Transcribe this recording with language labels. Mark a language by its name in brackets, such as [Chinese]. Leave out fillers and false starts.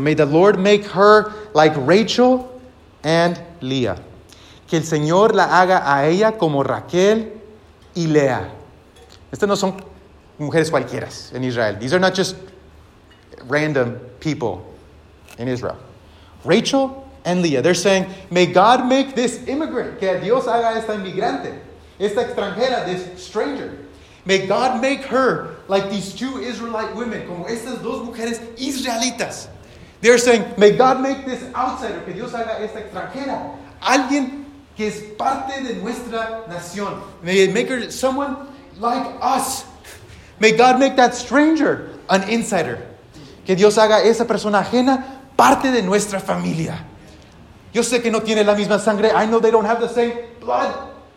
[English] May the Lord make her like Rachel and Leah. [Spanish] Que el Señor la haga a ella como Raquel y Lea. Estas no son mujeres cualquiera en Israel. [English] These are not just random people in Israel. Rachel and Leah. They're saying, may God make this immigrant, [Spanish] que Dios haga esta inmigrante, esta extranjera, [English] this stranger. May God make her like these two Israelite women, [Spanish] como estas dos mujeres israelitas. [English] They're saying, may God make this outsider, que Dios haga esta extranjera, alguien que es parte de nuestra nación. May he make her someone like us. May God make that stranger an insider. [Spanish] Que Dios haga esa persona ajena parte de nuestra familia. Yo sé que no tiene la misma sangre. [English] I know they don't have the same blood.